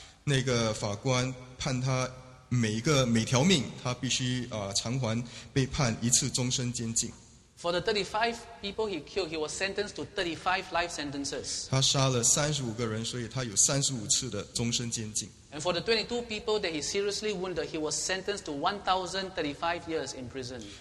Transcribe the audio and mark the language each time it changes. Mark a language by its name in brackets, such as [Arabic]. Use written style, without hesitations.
[Chinese] 那个法官判他每条命，他必须偿还，被判一次终身监禁。 [English] For the 35 people he killed, he was sentenced to 35 life sentences. [Chinese] 他杀了35个人，所以他有35次的终身监禁。 [English] And for the 22 people that he seriously wounded, he was sentenced to 1,035 years in prison.